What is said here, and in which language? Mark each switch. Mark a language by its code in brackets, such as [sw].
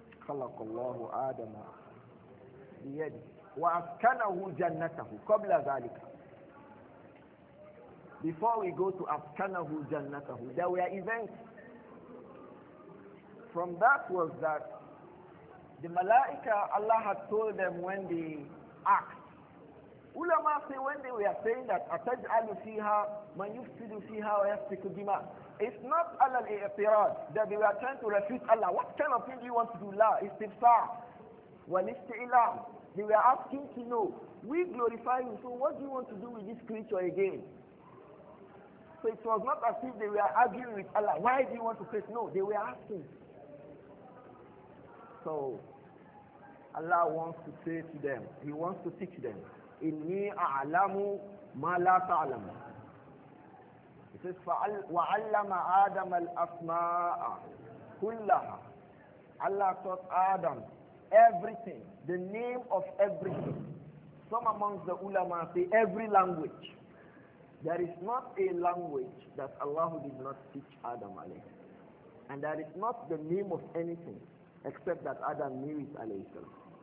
[ar] خلق الله آدم بيده وأسكنه جنته قبل ذلك. [en] Before we go to أسكنه جنته, there were events. From that was that the Malaika, Allah had told them when they asked. Ulama say when they were saying that أتجعل فيها من يفسد فيها ويسفك دماء. It's not Allah al-i'tirad that they were trying to refute Allah. What kind of thing do you want to do, La? Istighfar. Wal isti'lam. They were asking to know, we glorify you, so what do you want to do with this creature again? So it was not as if they were arguing with Allah. Why do you want to say no? They were asking. So Allah wants to say to them, He wants to teach them, Inni a'lamu ma la ta'lamu. [ar] It says, وَعَلَّمَ آدَمَ الْأَسْمَاءَ كُلَّهَا. [en] Allah taught Adam everything, the name of everything. Some amongst the ulama say every language. There is not a language that Allah did not teach Adam alayhi. And there is not the name of anything except that Adam knew it alayhi salam.